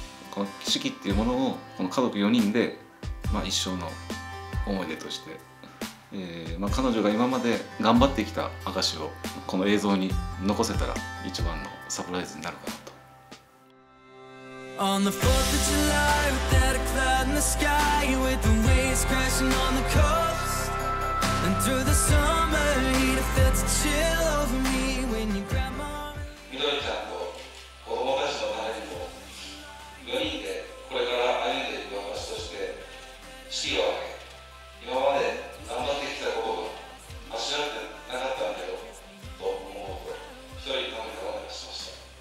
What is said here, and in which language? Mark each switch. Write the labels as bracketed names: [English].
[Japanese] この式っていうものをこの家族4人で、一生の思い出として、彼女が今まで頑張ってきた証をこの映像に残せたら一番のサプライズになるかなと。 [English] On the 4th of July, with that cloud in the sky, with the waves crashing on the coast, and through the summer heat, it felt a chill over me when you grab my arm. [Japanese] みどりちゃんと子供たちのためにも、4人でこれから歩んでいく私として、式を挙げ、今まで頑張ってきたことが間違ってなかったんだよと思うと、一人のためにお願いしました。